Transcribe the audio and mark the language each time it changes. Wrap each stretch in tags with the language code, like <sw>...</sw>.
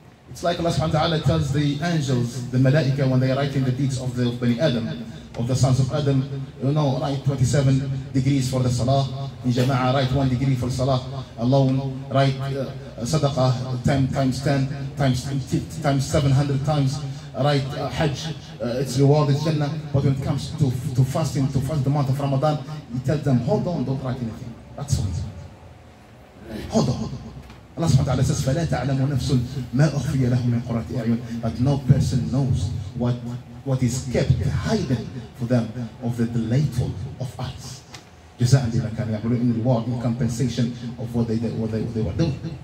<en>It's like Allah subhanahu wa ta'ala tells the angels, the malaika, when they are writing the deeds of the Bani Adam, of the sons of Adam, you know, write 27 degrees for the salah, in jama'ah, write 1 degree for salah alone, write sadaqah, 10 times 10, times 700 times, right, Hajj, it's reward, it's Jannah. But when it comes to fasting, to fast the month of Ramadan, you tell them, hold on, don't write anything. That's for me. Hold on. Allah subhanahu wa ta'ala says,</en> <ar>فَلَا تَعْلَمُ نَفْسٌ مَا أُخْفِيَ لَهُمْ مِنْ قُرَّةِ أَعْيُنٍ.</ar> <en>But no person knows what is kept hidden for them of the delightful of us.</en> <ar>جَزَاءً لِمَا كَانَ يَعْمَلُونَ,</ar> <en>in reward, in compensation of what they were doing.</en>